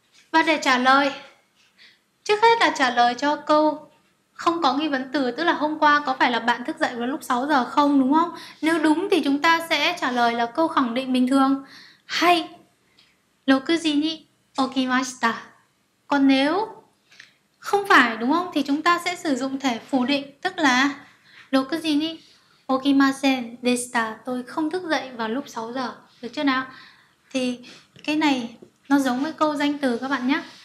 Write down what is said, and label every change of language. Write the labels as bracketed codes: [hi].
[vi] Và để trả lời, trước hết là trả lời cho câu không có nghi vấn từ, tức là hôm qua có phải là bạn thức dậy vào lúc 6 giờ không, đúng không? Nếu đúng thì chúng ta sẽ trả lời là câu khẳng định bình thường. [ja] Hay, 6時 に起きました. [vi] Còn nếu không phải, đúng không? Thì chúng ta sẽ sử dụng thể phủ định, tức là [ja] 6時 に起きませんでした. [vi] Tôi không thức dậy vào lúc 6 giờ. Được chưa nào? Thì cái này nó giống với câu danh từ các bạn nhé.